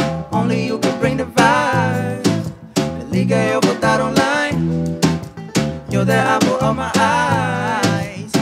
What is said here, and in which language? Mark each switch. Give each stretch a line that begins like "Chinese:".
English: Only you can bring the vibe.
Portuguese: Me liga, eu vou estar online.
English: You're the apple of my eyes.